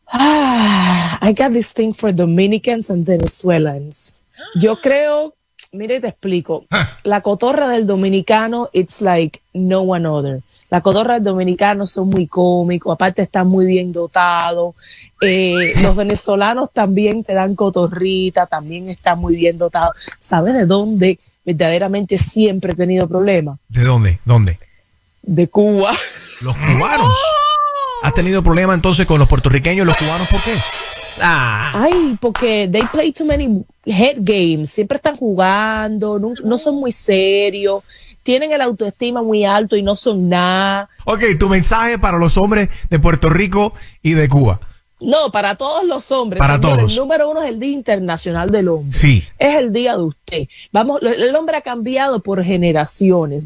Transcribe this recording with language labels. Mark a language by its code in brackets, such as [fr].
[en] I got this thing for Dominicans and Venezuelans. [es] Yo creo, mire, te explico. La cotorra del dominicano, [en] it's like no one other. [es] La cotorra del dominicano son muy cómicos, aparte están muy bien dotados. Los venezolanos también te dan cotorrita, también están muy bien dotados. ¿Sabes de dónde verdaderamente siempre he tenido problemas? ¿De dónde? ¿Dónde? De Cuba. ¿Los cubanos? ¿Has tenido problemas entonces con los puertorriqueños y los cubanos? ¿Por qué? Ay, porque [en] they play too many head games. [es] Siempre están jugando, no son muy serios. Tienen el autoestima muy alto y no son nada. Ok, tu mensaje para los hombres de Puerto Rico y de Cuba. No, para todos los hombres. Para señores, todos. El número uno es el Día Internacional del Hombre. Sí. Es el día de usted. Vamos, el hombre ha cambiado por generaciones.